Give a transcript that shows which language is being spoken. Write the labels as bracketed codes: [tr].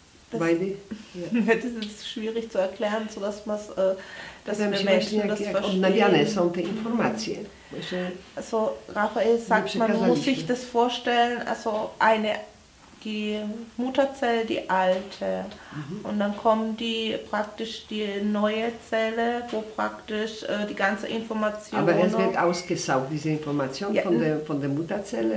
[de] Das ist schwierig zu erklären, so dass man dass wir Menschen das verstehen. [pl] Odnawiane są te informacje. [de] Also Raphael sagt, man muss sich das vorstellen, also eine die Mutterzelle, die alte, und dann kommen die praktisch die neue Zelle, wo praktisch die ganze Information... Aber es wird ausgesaugt, diese Information, ja, von der Mutterzelle,